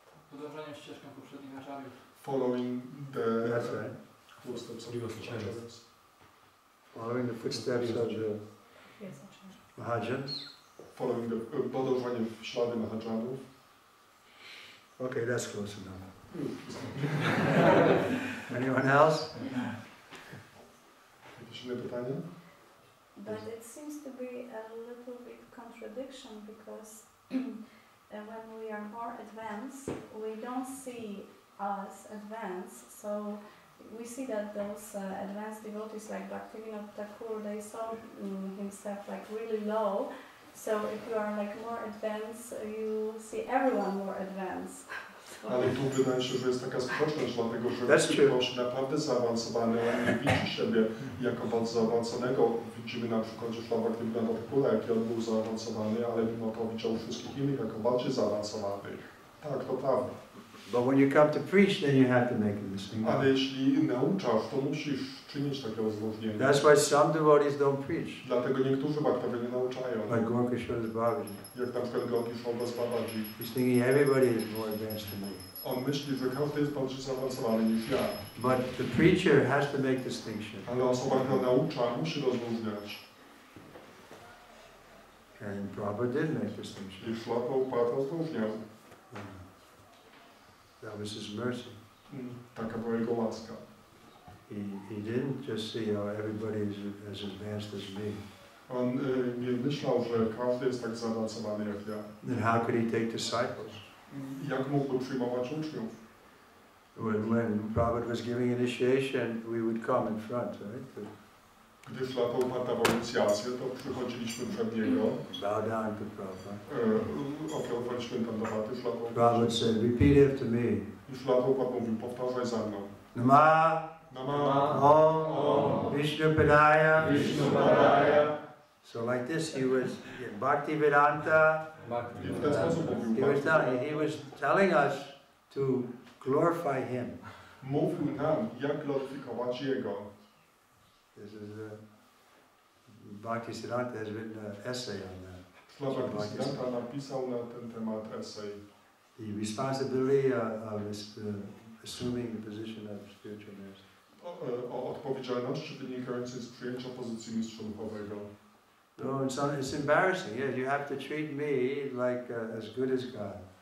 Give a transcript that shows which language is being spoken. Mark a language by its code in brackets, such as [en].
[pl] Podążanie ścieżką poprzednich aczariów. [en] Following the footsteps of the Acharyas. Following the footsteps of the Mahajans. Following the [pl] podążanie w ślady Mahajanów. [en] Okay, that's close enough. Anyone else? [pl] Jakieś inne pytania? [en] But it seems to be a little bit contradiction because when we are more advanced, we don't see us advanced. So we see that those advanced devotees like Bhaktivinoda Thakur, they saw himself like really low. So if you are like more advanced, you see everyone more advanced. [pl] Ale tu wydaje się, że jest taka sprzeczność, dlatego że jeśli ktoś naprawdę zaawansowany, ale nie widzi siebie jako bardzo zaawansowanego, widzimy na przykład, że Sławak nie wygląda w kule, jaki on był zaawansowany, ale mimo to widział wszystkich innych jako bardziej zaawansowanych. Tak, to prawda. [en] But when you come to preach, then you have to make a distinction. [pl] Ale jeśli nauczasz, to musisz czynić takie rozróżnienie. [en] That's why some devotees don't preach. [pl] Dlatego niektórzy bhaktowie nie nauczają. [en] Like Gaur Kishore Das Babaji. [pl] Jak na przykład Gaur Kishore Das Babaji. [en] He's thinking everybody is more advanced than me. [pl] On myśli, że każdy jest bardziej zaawansowany niż ja. [en] But the preacher has to make distinction. [pl] Ale osoba, która naucza, musi rozróżniać. [en] And Prabhupada did make distinction. [pl] I Śla Prabhupada rozróżniał. [en] That was his mercy. [pl] Taka była jego łaska. [en] He didn't just see how everybody is as advanced as me. [pl] On nie myślał, że każdy jest tak zaawansowany jak ja. [en] Then how could he take disciples? [pl] Jak mógł przyjmować uczniów? [en] When Prabhupada was giving initiation, we would come in front, right? But [pl] gdy Śla Prabhupada dawał inicjację, to przychodziliśmy przed niego. [en] Bow down to Prabhupada. [pl] Ofiarowaliśmy tandawaty Śla Prabhupada. [en] Prabhupada said, repeat after me. [pl] I Śla Prabhupada mówił, powtarzaj za mną. [sa] Nama. Nama. Om. Vishnupadaya. Vishnupadaya. [en] So like this, he was Bhaktivedanta. Bhaktivedanta. He was telling us to glorify him. [pl] Mówił nam, jak glorifikować jego. [en] This is a Bhakti Siddhanta has written an essay on that. [pl] Bhaktisiddhanta napisał na ten temat essay. [en] The responsibility of assuming the position of spiritual master. [pl] O odpowiedzialności wynikającej z przyjęcia pozycji mistrza duchowego. [en] No, it's embarrassing. Yeah, you have to treat me like as good as God.